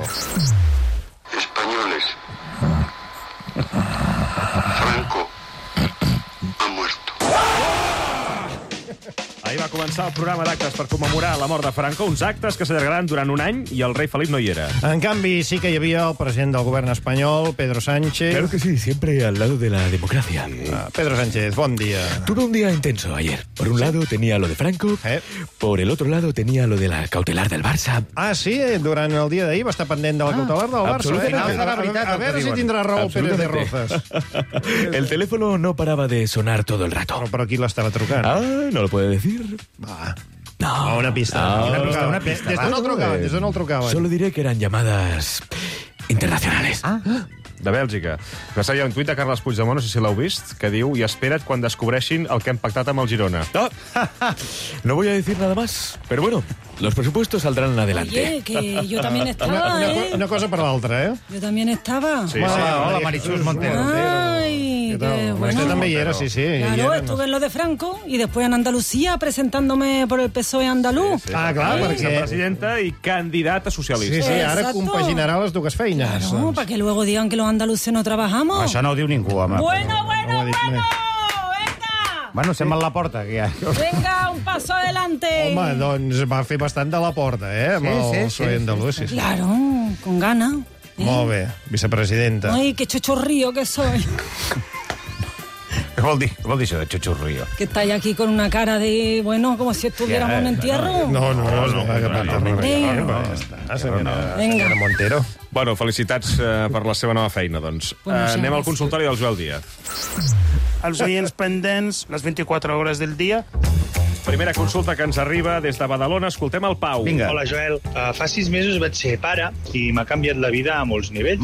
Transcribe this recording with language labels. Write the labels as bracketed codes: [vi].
[es] Españoles. Franco ha muerto. [ca] Ahir va començar el programa d'actes per commemorar la mort de Franco, uns actes que s'allargaran durant un any i el rei Felip no hi era. En canvi, sí que hi havia el president del govern espanyol, Pedro Sánchez. [es] Claro que sí, siempre al lado de la democracia. [ca] Pedro Sánchez, bon dia. [es] Tuve un día intenso ayer. Por un lado tenía lo de Franco, por el otro lado tenía lo de la cautelar del Barça. [ca] Ah, sí? Durant el dia d'ahir va estar pendent de la cautelar del Barça. [es] Absolutamente. [ca] A veure si tindrà raó Pérez de Rozas. [es] El teléfono no paraba de sonar todo el rato. [ca] Però qui l'estava trucant? [es] Ah, no lo puede decir. [ca] Va. No. Una pista. Des d'on el trucaven? [es] Solo diré que eran llamadas internacionales. [ca] De Bèlgica. Va ser un tuit de Carles Puigdemont, no sé si l'heu vist, que diu, i espera't quan descobreixin el que han pactat amb el Girona. [es] No voy a decir nada más, pero bueno, los presupuestos saldrán adelante. Oye, que yo también estaba, [ca] Una cosa per l'altra, eh? [es] Yo también estaba. Sí, sí. Hola, Marichus Montero. Bueno. [ca] També hi era, sí, sí. [es] Claro, estuve en lo de Franco y después en Andalucía presentándome por el PSOE andaluz. [ca] Sí, sí. Ah, clar, perquè... Presidenta i candidata socialista. [es] Sí, sí, ara exacto. [ca] Compaginarà les dues feines. [es] Claro, [ca] doncs. Perquè [es] luego digan que los andaluces no trabajamos. [ca] Això no ho diu ningú, home. [es] Bueno! [ca] Bueno, sembla la porta, que ja... [es] Venga, un paso adelante. [ca] Home, doncs va fer bastant de la porta, eh? Amb sí, el PSOE andalucis. Sí, sí, sí. [es] Claro, con gana. [ca] Molt bé, vicepresidenta. [es] Ay, qué chochorrío que soy. [ca] Què vol dir això de chochorrío? [es] Que está aquí con una cara de... Bueno, como si estuviéramos en entierro. [ca] Senyora Montero. Bueno, felicitats per la seva nova feina, doncs. Anem al consultori del Joel Díaz. Els oients pendents, les 24 hores del dia. Primera consulta que ens arriba des de Badalona. Escoltem el Pau. Vinga. Hola, Joel. Fa 6 mesos vaig ser pare i m'ha canviat la vida a molts nivells.